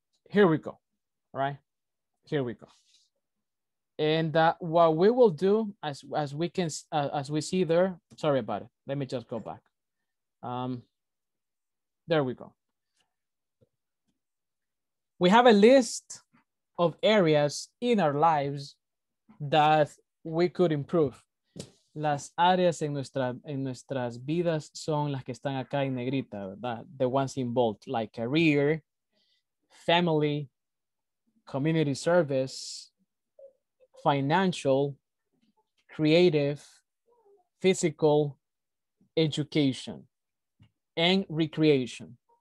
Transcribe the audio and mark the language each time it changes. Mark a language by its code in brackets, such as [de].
[en] Here we go, all right? Here we go. And what we will do as we see there, sorry about it. Let me just go back. There we go. We have a list of areas in our lives that we could improve. [es] Las áreas en nuestras vidas son las que están acá en negrita, ¿verdad? [en] The ones involved, like career, family, community service, financial, creative, physical, education, and recreation.